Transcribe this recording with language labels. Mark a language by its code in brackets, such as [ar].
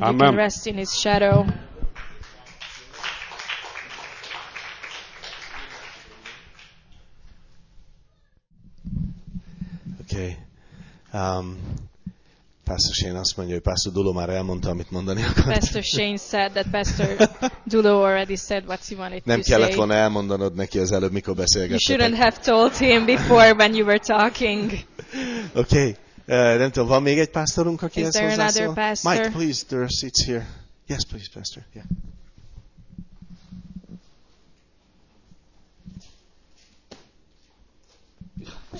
[en] Amen. Okay. [hu] Pastor Shane azt mondja, hogy Pastor Dulo már elmondta, amit mondani akart. [en] Pastor Shane said that Pastor Dulo already said what he wanted to say. [hu] Nem kellett volna elmondanod neki az előbb, mikor beszélgettetek. [en] You shouldn't have told him before when you were talking. Okay. [hu] Nem tudom, van még egy pásztorunk, aki ezt hozzászól? [en] Is there another pastor? Mike, please, there are seats here. Yes, please, Pastor. Yeah. Yeah.